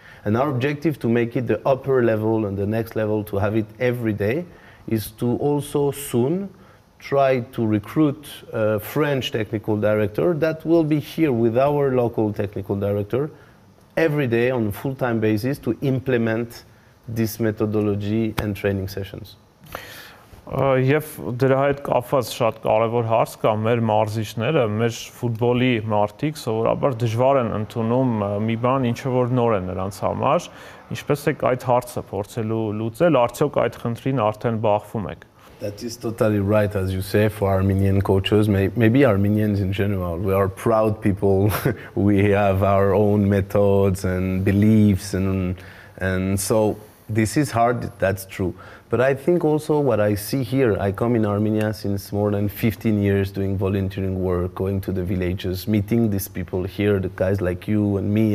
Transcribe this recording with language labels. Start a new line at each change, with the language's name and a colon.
English: And our objective to make it the upper level and the next level, to have it every day, is to also soon try to recruit a French technical director that will be here with our local technical director every day on a full-time basis to implement this methodology and training sessions.
Armenian: Եվ դրա հետ կապված շատ կարևոր հարց կա մեր մարզիչները, մեր ֆուտբոլի մարտիկ սովորաբար դժվար են ընդունում մի բան, ինչ որ նոր է նրանց համար, ինչպես եք այդ հարցը փորձելու լուծել, արդյոք այդ խնդրին արդեն բախվում եք?
English: That is totally right, as you say, for Armenian coaches, maybe Armenians in general. We are proud people. We have our own methods and beliefs. And so this is hard, that's true. But I think also what I see here, I come in Armenia since more than 15 years doing volunteering work, going to the villages, meeting these people here, the guys like you and me.